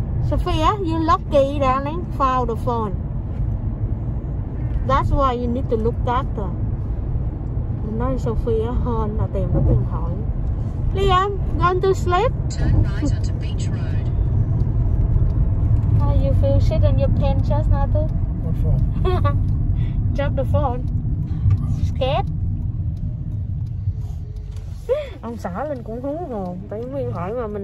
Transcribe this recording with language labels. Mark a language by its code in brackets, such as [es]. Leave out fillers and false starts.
[en] Sophia, you lucky darling, found the phone. That's why you need to look at the... [vi] Linh nói Sophia hên là tìm được điện thoại. [en] Liam, going to sleep? Turn right onto beach road. How you feel shit in your pants just now too? What for? Drop the phone. Scared? [vi] Ông xã Linh cũng hú hồn. Tại vì hỏi mà mình...